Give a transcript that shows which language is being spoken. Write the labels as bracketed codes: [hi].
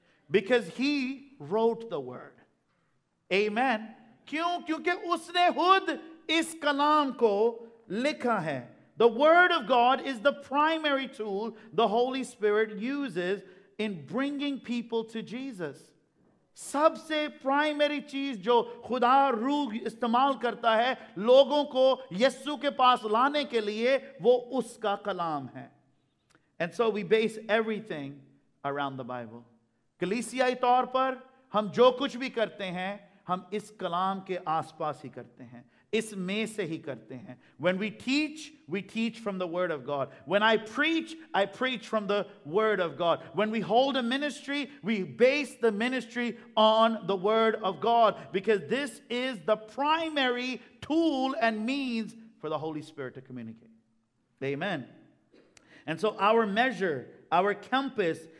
[en] Because He wrote the Word. Amen. [hi] Kyun? Kyunki usne khud is kalam ko likha hai. [en] The Word of God is the primary tool the Holy Spirit uses in bringing people to Jesus. [hi] सबसे primary चीज जो खुदा रूह इस्तेमाल करता है लोगों को यीशु के पास लाने के लिए वो उसका कलाम है. [en] And so we base everything around the Bible. [hi] कलीसियाई तौर पर हम जो कुछ भी करते हैं हम इस कलाम के आसपास ही करते हैं, इस में से ही करते हैं. [en] When we teach from the Word of God. When I preach from the Word of God. When we hold a ministry, we base the ministry on the Word of God. Because this is the primary tool and means for the Holy Spirit to communicate. Amen. And so our measure, our compass